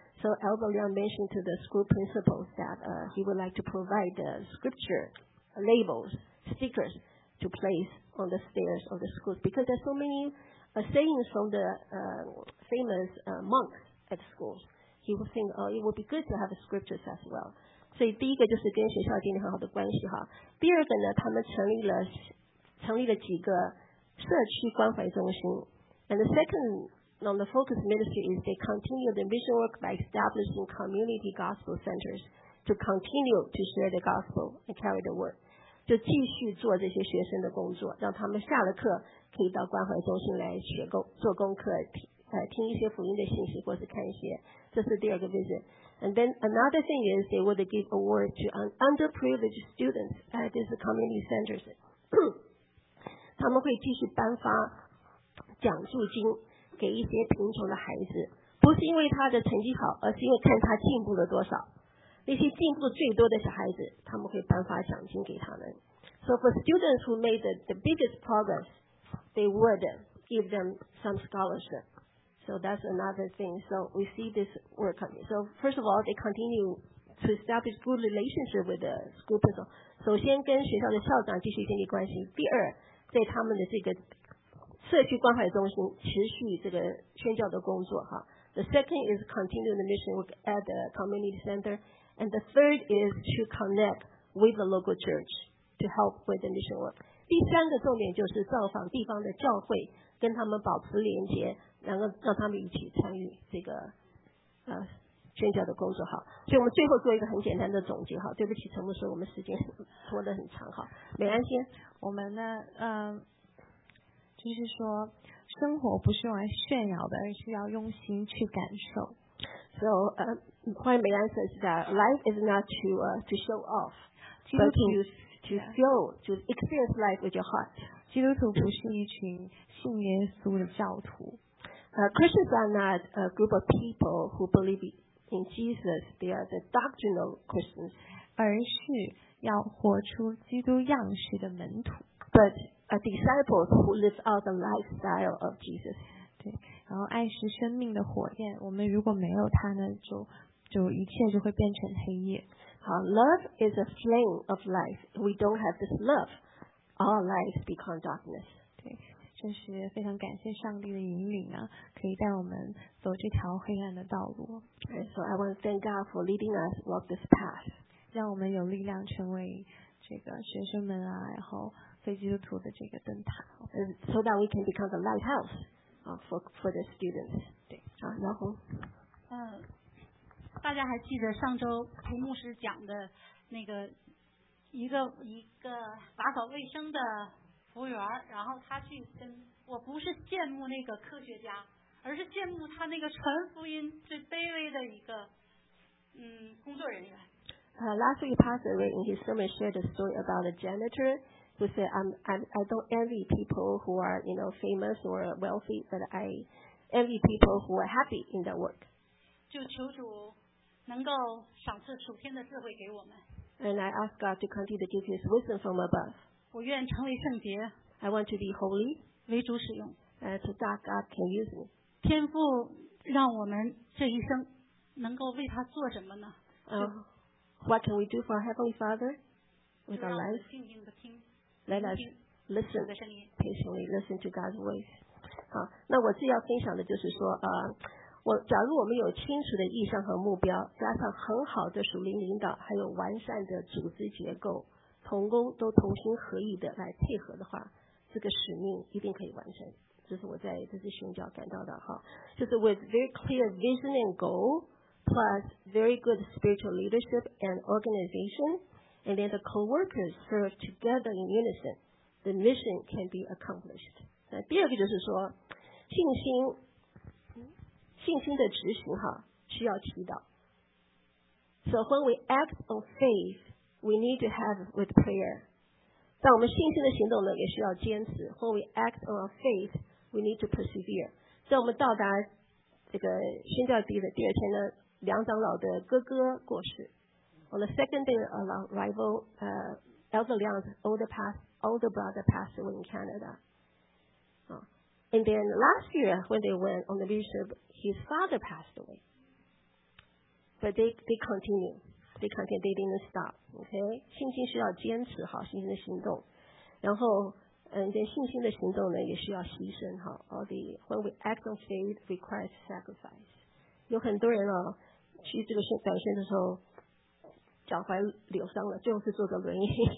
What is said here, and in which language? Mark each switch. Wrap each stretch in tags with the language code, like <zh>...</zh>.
<en>So Elder Liang mentioned to the school principals that he would like to provide the scripture labels. Stickers to place on the stairs of the schools because there's so many sayings from the famous monks at schools. He would think, oh, it would be good to have scriptures as well.</en> <zh>所以第一个就是跟学校建立很好的关系哈。第二个呢，他们成立了几个社区关怀中心。</zh> <en>And the second on the focus ministry is they continue the mission work by establishing community gospel centers to continue to share the gospel and carry the word.</en> <zh>就继续做这些学生的工作，让他们下了课可以到关怀中心来学工做功课，听一些福音的信息或是看一些。这是第二个 visit.</zh> <en>And then another thing is they would give award to underprivileged students at these community centers.</en> <zh>他们会继续颁发奖助金给一些贫穷的孩子，不是因为他的成绩好，而是因为看他进步了多少。那些进步最多的小孩子，他们会颁发奖金给他们。</zh> <en>So for students who made the biggest progress, they would give them some scholarship. So that's another thing. So we see this work coming. So first of all, they continue to establish good relationship with the school principal.</en> <zh>首先跟学校的校长继续建立关系。第二，在他们的这个社区关怀中心持续这个宣教的工作哈。</zh> <en>The second is continue the mission work at the community center. And the third is to connect with the local church to help with the mission work.</en> <zh>第三个重点就是造访地方的教会，跟他们保持连接，然后让他们一起参与这个宣教的工作。好，所以我们最后做一个很简单的总结。好，对不起，陈牧师，我们时间拖得很长。好，美安先，我们呢，就是说生活不是用来炫耀的，而是要用心去感受。</zh> <en>So, my answer is that life is not to, to show off, but to feel, to experience life with your heart.</en> <zh>基督徒不是一群信耶稣的教徒。</zh> <en>Christians are not a group of people who believe in Jesus. They are the doctrinal Christians.</en> <zh>而是要活出基督样式的门徒。</zh> <en>But a disciple who lives out the lifestyle of Jesus.</en> <zh>对。然后爱是生命的火焰，我们如果没有它呢，就一切就会变成黑夜。</zh> <en>Love is a flame of life. We don't have this love, our lives become darkness.</en> <zh>对，这是非常感谢上帝的引领啊，可以带我们走这条黑暗的道路。</zh> <en>Okay, so I want to thank God for leading us walk this path.</en> <zh>让我们有力量成为这个学生们啊，然后非基督徒的这个灯塔。</zh> <en>So that we can become the lighthouse. For the students.</en> <zh>对，然后，大家还记得上周裴牧师讲的那个一个打扫卫生的服务员，然后他去跟我不是羡慕那个科学家，而是羡慕他那个传福音最卑微的一个工作人员。</zh> <en>Last week, Pastor Ray in his sermon shared a story about a janitor. Who said, I don't envy people who are, you know, famous or wealthy, but I envy people who are happy in their work.</en> <zh>就求主能够赏赐属天的智慧给我们。</zh> <en>And I ask God to continue to give His wisdom from above.</en> <zh>我愿成为圣洁。</zh> <en>I want to be holy.</en> <zh>为主使用。</zh> <en>And so that God can use me.</en> <zh>天父让我们这一生能够为他做什么呢？</zh> <en>What can we do for our Heavenly Father with our life?</en> <zh>静静地听。</zh> <en>Let us listen patiently, listen to God's voice.</en> <zh>好，那我自己要分享的就是说，假如我们有清楚的意向和目标，加上很好的属灵领导，还有完善的组织结构，同工都同心合意的来配合的话，这个使命一定可以完成。这是我在这次宣教感到的哈，就是</zh> <en>with very clear vision and goal, plus very good spiritual leadership and organization. And then the co-workers serve together in unison, the mission can be accomplished.</en> <zh>第二个就是说，信心的执行哈，需要祈祷。</zh> <en>So when we act on faith, we need to have with prayer.</en> <zh>但我们信心的行动呢，也需要坚持。</zh> <en>When we act on our faith, we need to persevere.</en> <zh>在我们到达这个宣教地的第二天呢，梁长老的哥哥过世。</zh> <en>On the second day of arrival, Elder Liang's older brother passed away in Canada. And then last year, when they went on the leadership, his father passed away. But they continue, they didn't stop. Okay?</en> <zh>信心需要坚持好，信心的行动。然后，这信心的行动呢，也需要牺牲好。</zh> <en>All the, when we act on faith requires sacrifice.</en> <zh>有很多人去这个表现的时候脚踝扭伤了，最后是坐着轮椅。</zh>